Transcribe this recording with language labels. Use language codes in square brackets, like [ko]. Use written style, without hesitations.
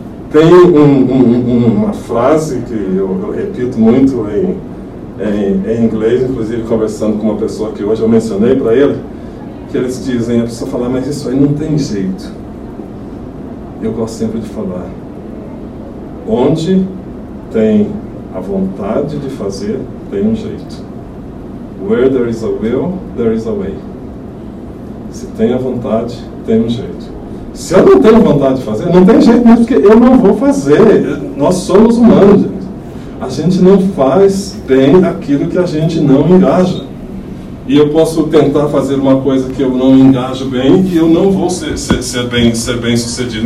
[pt] Tem uma frase que eu repito muito em inglês, inclusive conversando com uma pessoa que hoje eu mencionei para ele, que eles dizem, a pessoa fala, mas isso aí não tem jeito. Eu gosto sempre de falar, onde tem a vontade de fazer, tem um jeito. [en] Where there is a will, there is a way. [pt] Se tem a vontade, tem um jeito. Se eu não tenho vontade de fazer, não tem jeito mesmo, porque eu não vou fazer. Nós somos humanos, gente. A gente não faz bem aquilo que a gente não engaja. E eu posso tentar fazer uma coisa que eu não engajo bem e eu não vou ser bem sucedido.